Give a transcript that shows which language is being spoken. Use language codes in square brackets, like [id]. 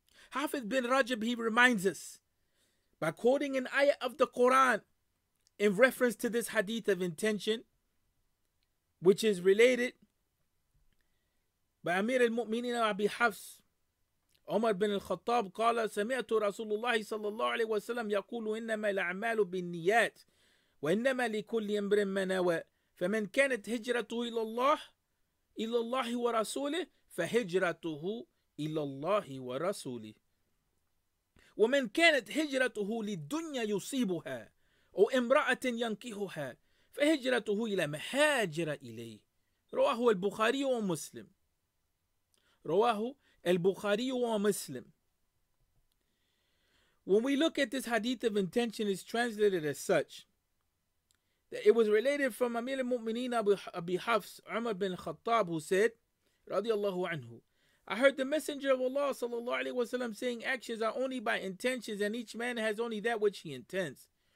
[en] Hafiz bin Rajab, he reminds us by quoting an ayah of the Quran in reference to this hadith of intention, which is related by Amir al-Mu'mineen Abi Hafs. [ar] عمر بن الخطاب قال سمعت رسول الله صلى الله عليه وسلم يقول إنما الأعمال بالنيات وإنما لكل امرئ ما نوى فمن كانت هجرته إلى الله إلى الله ورسوله فهجرته إلى الله ورسوله ومن كانت هجرته للدنيا يصيبها أو امرأة ينكحها فهجرته إلى مهاجر إليه رواه البخاري ومسلم رواه Al-Bukhari wa Muslim. [en] When we look at this hadith of intention, it's translated as such, that it was related from Amir al-Mu'mineen Abi Hafs, Umar bin Khattab, who said, radiallahu anhu, I heard the Messenger of Allah sallallahu alayhi wa sallam saying, actions are only by intentions, and each man has only that which he intends.